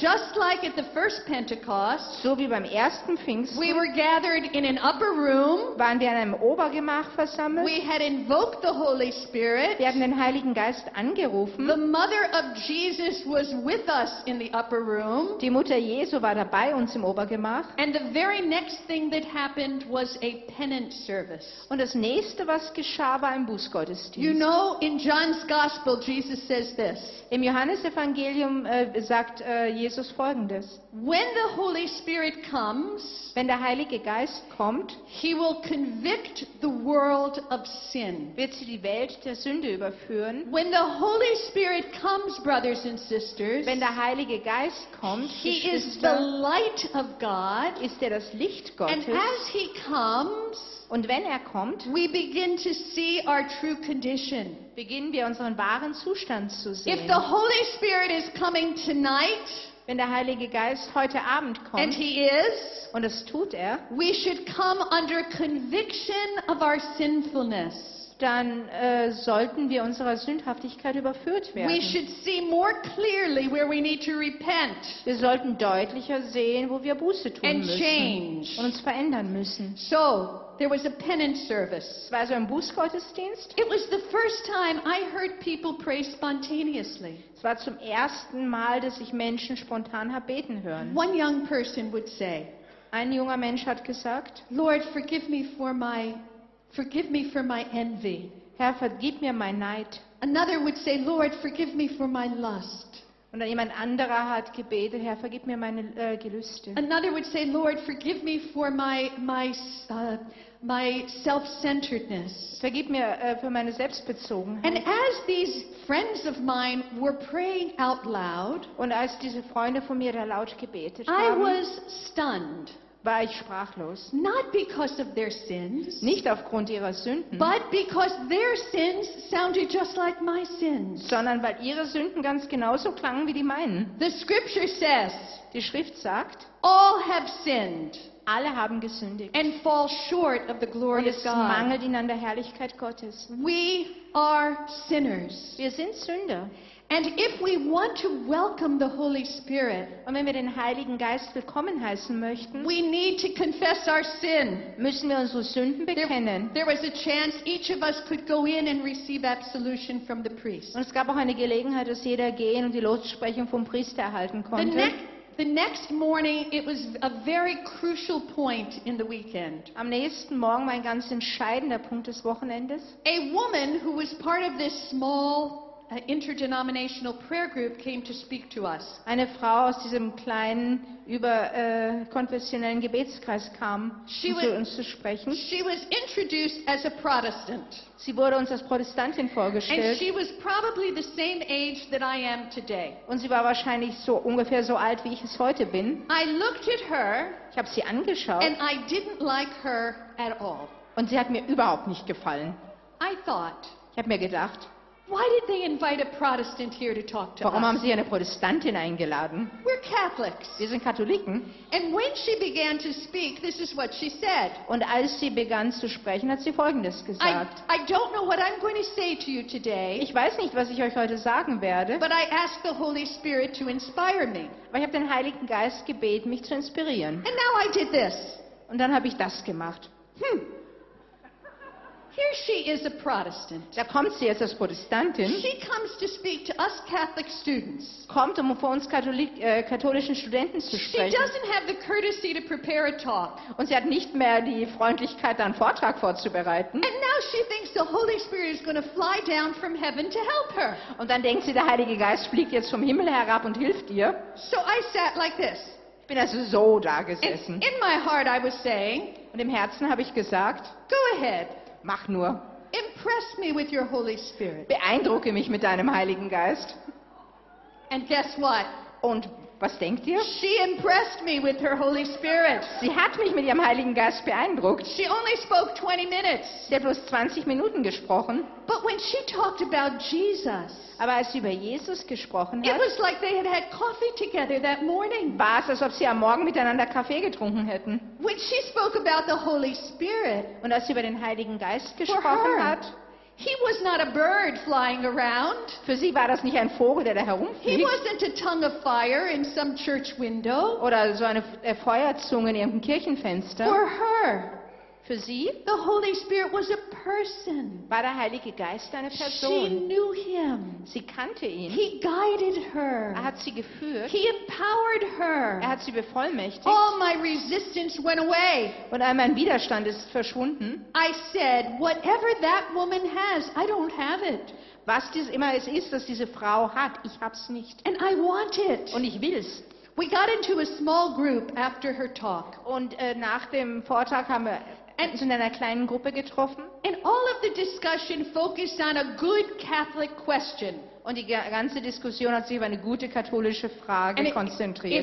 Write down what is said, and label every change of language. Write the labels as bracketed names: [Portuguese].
[English] Just like at the first Pentecost, [German] so wie beim ersten Pfingsten, [English] we were gathered in an upper room, [German] waren wir in einem Obergemach versammelt. [English] We had invoked the Holy Spirit. [German] Wir hatten den Heiligen Geist angerufen. [English] The mother of Jesus was with us in the upper room. [German] Die Mutter Jesu war dabei uns im Obergemach. [English] And the very next thing that happened was a penance service. [German] Und das nächste, was geschah, war ein Bußgottesdienst. [English] You know, in John's Gospel, Jesus says this. [German] Im Johannesevangelium sagt Jesus Folgendes. [English] When the Holy Spirit comes, [German] wenn der Heilige Geist kommt, [English] he will convict the world of sin. [German] Wird sie die Welt der Sünde überführen. [English] When the Holy Spirit comes, brothers and sisters, [German] wenn der Heilige Geist kommt, [English] he is the light of God, [German] ist er das Licht Gottes. [English] And as he comes, [German] und wenn er kommt, [English] we begin to see our true condition. [German] Beginnen wir unseren wahren Zustand zu sehen. [English] If the Holy Spirit is coming tonight, [German] wenn der Heilige Geist heute Abend kommt, [English] and he is, [German] und es tut er, [English] we should come under conviction of our sinfulness. [German] Dann sollten wir unserer Sündhaftigkeit überführt werden. [English] We should see more clearly where we need to repent. [German] Wir sollten deutlicher sehen, wo wir Buße tun [English] and [German] müssen [English] change. [German] Und uns verändern müssen. [English] So, there was a penance service. [German] Es war also ein Bußgottesdienst. [English] It was the first time I heard people pray spontaneously. [German] Es war zum ersten Mal, dass ich Menschen spontan habe beten hören. [English] One young person would say, [German] ein junger Mensch hat gesagt, [English] Lord, forgive me for my envy. [German] Herr, vergib mir mein Neid. [English] Another would say, Lord, forgive me for my lust. [German] Und dann jemand anderer hat gebetet, Herr, vergib mir meine Gelüste. [English] Another would say, Lord, forgive me for my self-centeredness. [German] Vergib mir für meine Selbstbezogenheit. [English] And as these friends of mine were praying out loud, [German] und als diese Freunde von mir da laut gebetet haben, [English] I was stunned. [German] war ich sprachlos. [English] Not because of their sins, [German] nicht aufgrund ihrer Sünden, [English] but because their sins sounded just like my sins. [German] Sondern weil ihre Sünden ganz genauso klangen wie die meinen. [English] The scripture says, [German] die Schrift sagt, [English] all have sinned, [German] alle haben gesündigt, [English] and fall short of the glory of God. [German] Und es mangelt ihnen an der Herrlichkeit Gottes. [English] We are sinners. [German] Wir sind Sünder. [English] And if we want to welcome the Holy Spirit, [German] und wenn wir den Heiligen Geist willkommen heißen möchten, [English] we need to confess our sin. [German] Müssen wir unsere Sünden bekennen. [English] There was a chance each of us could go in and receive absolution from the priest. [German] Und es gab auch eine Gelegenheit, dass jeder gehen und die Lossprechung vom Priester erhalten konnte. [English] The next morning, it was a very crucial point in the weekend. [German] Am nächsten Morgen war ein ganz entscheidender Punkt des Wochenendes. [English] A woman who was part of this small interdenominational prayer group came to speak to us. [German] Eine Frau aus diesem kleinen überkonfessionellen Gebetskreis kam, um zu uns zu sprechen. [English] She was introduced as a Protestant. [German] Sie wurde uns als Protestantin vorgestellt. [English] And she was probably the same age that I am today. [German] Und sie war wahrscheinlich so ungefähr so alt, wie ich es heute bin. [English] I looked at her. [German] Ich habe sie angeschaut. [English] And I didn't like her at all. [German] Und sie hat mir überhaupt nicht gefallen. [English] I thought. [German] Ich habe mir gedacht, [English] why did they invite a Protestant here to talk to [German] warum Warum haben sie eine Protestantin eingeladen? [English] We're Catholics. [German] Wir sind Katholiken. [English] And when she began to speak, this is what she said. [German] Und als sie begann zu sprechen, hat sie Folgendes gesagt. [English] I don't know what I'm going to say to you today. [German] Ich weiß nicht, was ich euch heute sagen werde. [English] But I ask the Holy Spirit to inspire me. [German] Aber ich habe den Heiligen Geist gebeten, mich zu inspirieren. [English] And now I did this. [German] Und dann habe ich das gemacht. [English] Here she is, a Protestant. [German] Da kommt sie jetzt als Protestantin. [English] She comes to speak to us Catholic students. [German] Kommt, um vor uns katholischen Studenten zu sprechen. [English] She doesn't have the courtesy to prepare a talk. [German] Und sie hat nicht mehr die Freundlichkeit, einen Vortrag vorzubereiten. [English] And now she thinks the Holy Spirit is going to fly down from heaven to help her. [German] Und dann denkt sie, der Heilige Geist fliegt jetzt vom Himmel herab und hilft ihr. [English] So I sat like this. [German] Ich bin also so da gesessen. [English] In my heart I was saying, [German] und im Herzen habe ich gesagt, [English] go ahead. [German] Mach nur. [English] Impress me with your Holy Spirit. [German] Beeindrucke mich mit deinem Heiligen Geist. [English] And guess what? [German] Und was denkt ihr? [English] She impressed me with her Holy Spirit. [German] Sie hat mich mit ihrem Heiligen Geist beeindruckt. [English] She only spoke 20 minutes. [German] Sie hat bloß 20 Minuten gesprochen. [English] But when she talked about Jesus, [German] aber als sie über Jesus gesprochen hat, [English] it was like they had had coffee together that morning. [German] War es, als ob sie am Morgen miteinander Kaffee getrunken hätten. [English] When she spoke about the Holy Spirit, [German] und als sie über den Heiligen Geist gesprochen hat, [English] he was not a bird flying around. [German] Für sie war das nicht ein Vogel, der da herumfliegt. [English] He wasn't a tongue of fire in some church window. [German] Oder so eine Feuerzunge in irgendeinem Kirchenfenster. [English] For her. [German] Für sie. [English] The Holy Spirit was a person. [German] War der Heilige Geist eine Person. [English] She knew him. [German] Sie kannte ihn. [English] He guided her. [German] Hat sie geführt. [English] He empowered her. [German] Hat sie bevollmächtigt. [English] All my resistance went away. [German] Und all mein Widerstand ist verschwunden. [English] I said, whatever that woman has, I don't have it. [German] Was dies immer es ist, das diese Frau hat, ich hab's nicht. [English] And I want it. [German] Und ich will's. [English] We got into a small group after her talk. [German] Und nach dem Vortrag haben wir uns in einer kleinen Gruppe getroffen. [English] And all of the discussion focused on a good Catholic question. [German] Und die ganze Diskussion hat sich über eine gute katholische Frage konzentriert.